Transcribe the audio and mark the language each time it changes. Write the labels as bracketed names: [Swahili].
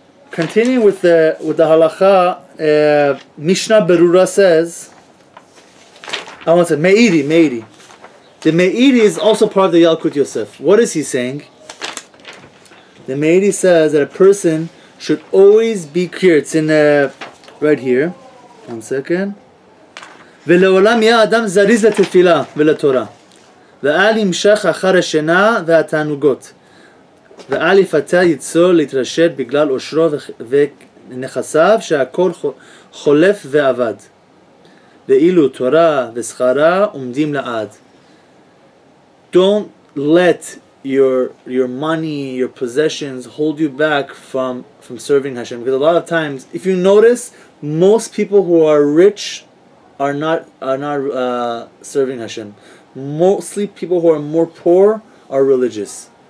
[English] Continuing with the halacha, Mishnah Berura says, I want to say, Meiri. The Meiri is also part of the Yalkut Yosef. What is he saying? The Meiri says that a person should always be clear. It's in right here. 1 second. [Hebrew] ולעולם יהיה אדם זריז לתפילה ולתורה ואל ימשך אחר השינה והתענוגות ואל יפתה יצור להתרשת בגלל אושרו ונכסיו שהכל חולף ועבד ואילו תורה ושכרה עומדים לעד. [English] Don't let your money, your possessions hold you back from serving Hashem. Because a lot of times, if you notice, most people who are rich are not serving Hashem. Mostly people who are more poor are religious.